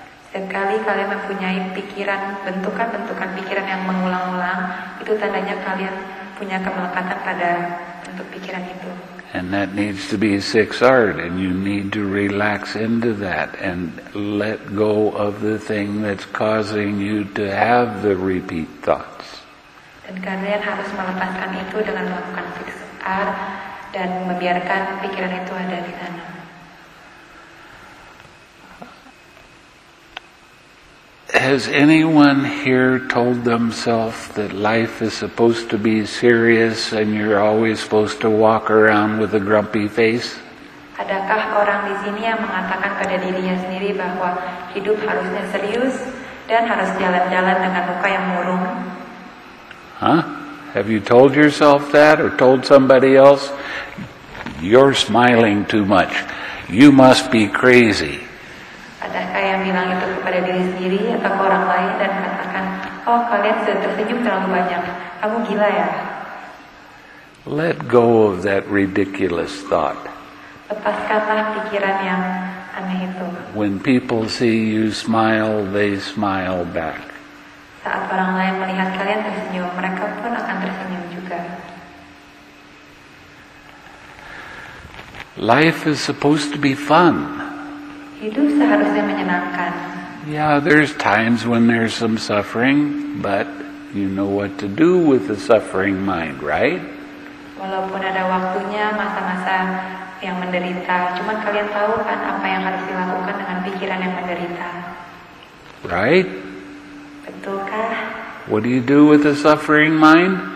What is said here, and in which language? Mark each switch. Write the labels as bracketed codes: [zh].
[id] Setiap kali kalian mempunyai pikiran, bentukan-bentukan pikiran yang mengulang-ulang, itu tandanya kalian punya kemelekatan pada bentuk pikiran itu. [en] And that needs to be 6R'd, and you need to relax into that and let go of the thing that's causing you to have the repeat thoughts. [id] Dan kalian harus melepaskan itu dengan melakukan 6R dan membiarkan pikiran itu ada di sana. [en] Has anyone here told themselves that life is supposed to be serious and you're always supposed to walk around with a grumpy face? [id] Adakah orang di sini yang mengatakan pada dirinya sendiri bahwa hidup harusnya serius dan harus jalan-jalan dengan muka yang murung? Huh? [en] Have you told yourself that or told somebody else? You're smiling too much. You must be crazy. [id] Adakah yang bilang itu kepada diri sendiri atau ke orang lain dan katakan, oh kalian sudah tersenyum terlalu banyak, kamu gila ya? [en] Let go of that ridiculous thought. [id] Lepaskanlah pikiran yang aneh itu. [en] When people see you smile, they smile back. [id] Saat orang lain melihat kalian tersenyum, mereka pun akan tersenyum juga. [en] Life is supposed to be fun. [id] Hidup seharusnya menyenangkan. [en] Yeah, there's times when there's some suffering, but you know what to do with the suffering mind, right? [id] Walaupun ada waktunya masa-masa yang menderita, cuma kalian tahu kan apa yang harus dilakukan dengan pikiran yang menderita. [en] Right? [id] Betulkah? [en] What do you do with the suffering mind?